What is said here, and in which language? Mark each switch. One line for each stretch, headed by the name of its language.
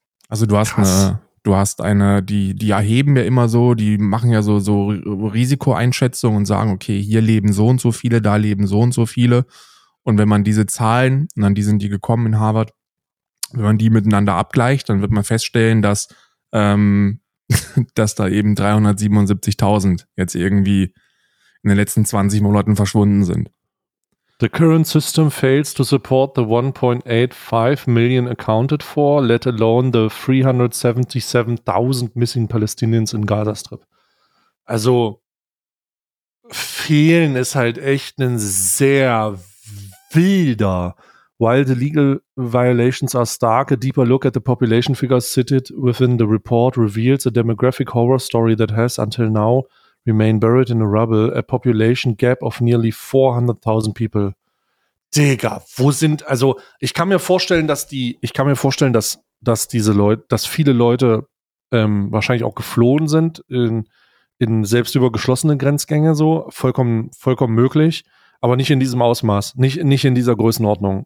German: Also du hast die erheben ja immer so, die machen ja so Risikoeinschätzungen und sagen, okay, hier leben so und so viele, da leben so und so viele. Und wenn man diese Zahlen, und an die sind die gekommen in Harvard, wenn man die miteinander abgleicht, dann wird man feststellen, dass dass da eben 377.000 jetzt irgendwie in den letzten 20 Monaten verschwunden sind.
English: The current system fails to support the 1.85 million accounted for, let alone the 377.000 missing Palestinians in Gaza Strip.
German: Also fehlen ist halt echt ein sehr wilder.
English: While the legal violations are stark, a deeper look at the population figures cited within the report reveals a demographic horror story that has, until now, remained buried in the rubble, a population gap of nearly 400.000 people.
German: Digga, wo sind, also, ich kann mir vorstellen, dass viele Leute wahrscheinlich auch geflohen sind in selbst über geschlossene Grenzgänge, so, vollkommen möglich. Aber nicht in diesem Ausmaß, nicht in dieser Größenordnung.